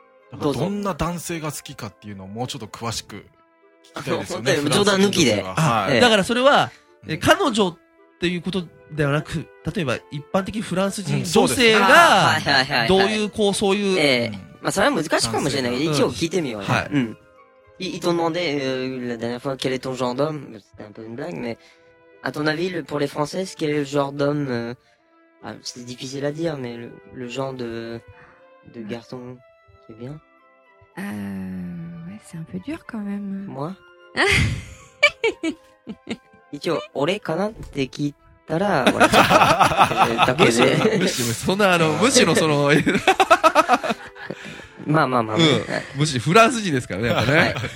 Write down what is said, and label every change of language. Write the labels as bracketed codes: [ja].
[ja] どんな男性が好きかっていうのをもうちょっと詳しく聞きたいですよね。冗談抜きで、はい、だからそれは、彼女っていうことではなく、例えば一般的にフランス人女性がどういうこうそういう、まあそれは難しいかもしれないけど一応聞いてみようね。はい、うん。 [fr] Il t'ont demandé la dernière fois quel est ton genre d'homme, c'était un peu une blague, mais à ton avis pour les Français quel est le genre d'homme, c'est difficile à dire, mais le genre de garçon c'est bien. Ouais, c'est un peu dur quand même. Moi. [ja] 一応俺かなって聞いたら、だけで。そんなむしろその。まあまあまあ。うん。むしろフランス人ですからね、やっぱね。